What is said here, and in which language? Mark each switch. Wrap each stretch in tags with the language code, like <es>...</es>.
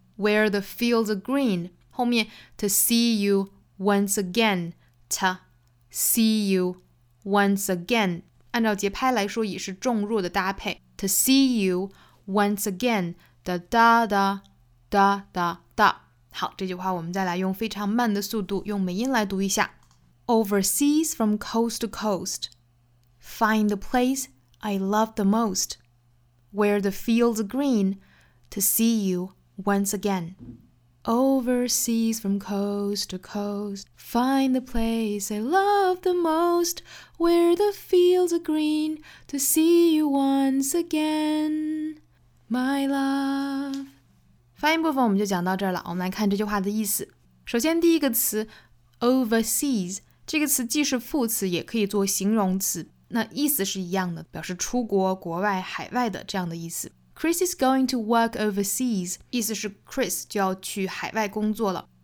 <en>Where the fields are green，</en> <zh>后面</zh> <en>to see you once again， to see you once again，</en> <zh>按照节拍来说也是重弱的搭配。</zh> <en>To see you once again，哒哒哒哒哒哒。</en> <zh>好，这句话我们再来用非常慢的速度，用美音来读一下。</zh> <en>Overseas from coast to coast， find the place I love the most， where the fields are green， to see you。 Once again, overseas from coast to coast, find the place I love the most, where the fields are green, to see you once again, my love.</en> <zh>发音部分我们就讲到这儿了，我们来看这句话的意思。首先第一个词 overseas, 这个词既是副词也可以做形容词，那意思是一样的，表示出国、国外、海外的这样的意思。</zh> <en>Chris is going to work overseas，</en> <zh>意思是 Chris 就要去海外工作了。</zh>